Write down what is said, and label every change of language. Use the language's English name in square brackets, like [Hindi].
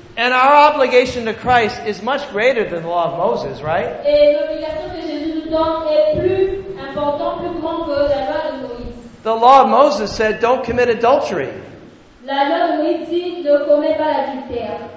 [English] And our obligation to Christ is much greater than the law of Moses, right? [French] Et l'obligation que Jésus nous donne est plus importante, plus grande que la loi de Moïse. [English] The law of Moses said, "Don't commit adultery." [French] La loi de Moïse dit, ne commets pas l'adultère.